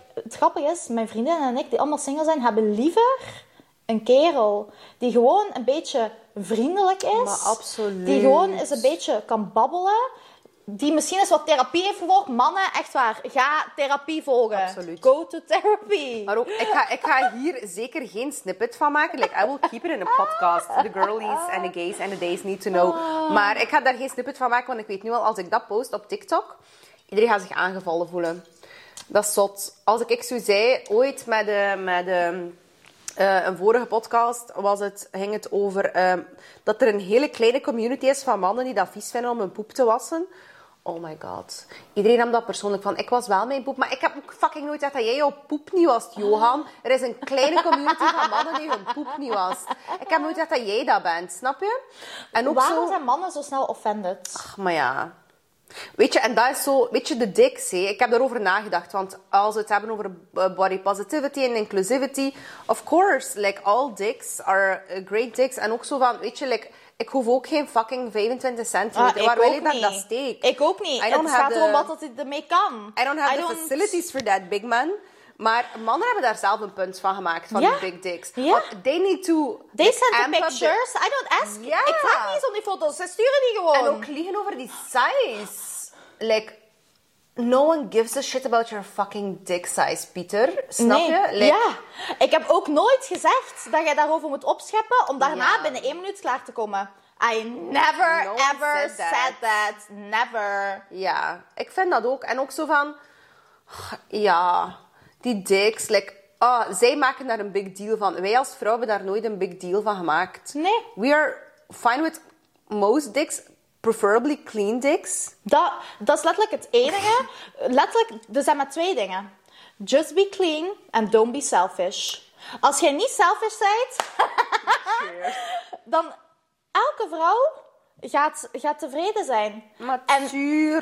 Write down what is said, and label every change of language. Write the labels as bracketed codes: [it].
[nl] Het grappige is, mijn vriendin en ik, die allemaal single zijn, hebben liever een kerel die gewoon een beetje vriendelijk is. Maar absoluut. Die gewoon eens een beetje kan babbelen. Die misschien eens wat therapie heeft gevolgd. Mannen, echt waar. Ga therapie volgen. Absoluut. [en] Go to therapy. [nl] Maar ook, ik ga hier zeker geen snippet van maken. [en] Like, I will keep it in a podcast. The girlies and the gays and the days need to know. [nl] Maar ik ga daar geen snippet van maken, want ik weet nu al, als ik dat post op TikTok, iedereen gaat zich aangevallen voelen. Dat is zot. Als ik zo zei, ooit een vorige podcast ging het over dat er een hele kleine community is van mannen die dat vies vinden om hun poep te wassen. [en] Oh my god. [nl] Iedereen nam dat persoonlijk van. Ik was wel mijn poep, maar ik heb ook fucking nooit gezegd dat jij jouw poep niet was, Johan. Er is een kleine community van mannen die hun poep niet was. Ik heb nooit gezegd dat jij dat bent, snap je? En ook waarom zijn mannen zo snel offended? Ach, maar ja. Weet je, en dat is zo, weet je, de dicks, hé. Ik heb daarover nagedacht, want als we het hebben over body positivity en inclusivity, [en] of course, like, all dicks are great dicks. [nl] En ook zo van, weet je, like, ik hoef ook geen fucking 25 centimeter. Waar wil je dan dat steek? Ik ook niet. Het gaat erom wat het ermee kan. [en] I don't have the facilities for that, big man. [nl] Maar mannen hebben daar zelf een punt van gemaakt, van die big dicks. [en] Yeah. They need to... They send the pictures. I don't ask. Yeah. [nl] Ik vraag niet eens om die foto's. Ze sturen die gewoon. En ook liegen over die size. [en] Like, no one gives a shit about your fucking dick size, Pieter. Snap [nl] nee. je? Ja. [en] Like, yeah. [nl] Ik heb ook nooit gezegd dat jij daarover moet opscheppen om daarna binnen 1 minuut klaar te komen. [en] I never ever said that. Never. [nl] Ja. Ik vind dat ook. En ook zo van... Ja... Die dicks, like, zij maken daar een big deal van. Wij als vrouw hebben daar nooit een big deal van gemaakt. Nee. [en] We are fine with most dicks, preferably clean dicks. [nl] Dat is letterlijk het enige. Letterlijk, er zijn maar twee dingen. [en] Just be clean and don't be selfish. [nl] Als jij niet selfish bent, dan elke vrouw gaat tevreden zijn. Natuurlijk.